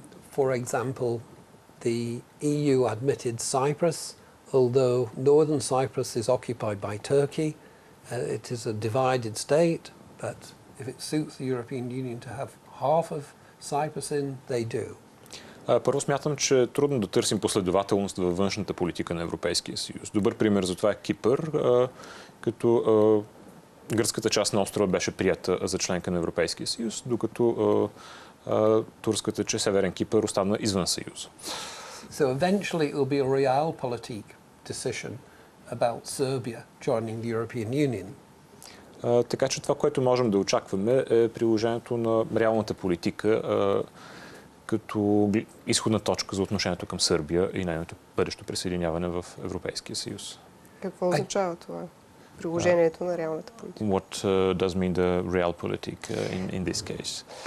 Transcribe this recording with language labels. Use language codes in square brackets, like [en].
[en] For example, the EU admitted Cyprus, although northern Cyprus is occupied by Turkey. It is a divided state, but if it suits the European Union to have half of Cyprus in, they do. [bg] Първо смятам, че е трудно да търсим последователност във външната политика на Европейския съюз. Добър пример за това е Кипър, като гръцката част на острова беше приета за членка на Европейския съюз, докато турската част, Северен Кипър, остана извън съюза. [en] So eventually it will be a realpolitik decision about Serbia joining the European Union. [bg] Така че това, което можем да очакваме, е приложението на реалната политика като изходна точка за отношението към Сърбия и нейното бъдещо присъединяване в Европейския съюз. Какво означава това? Приложението на реалната политика. [en] What does mean the realpolitik in this case?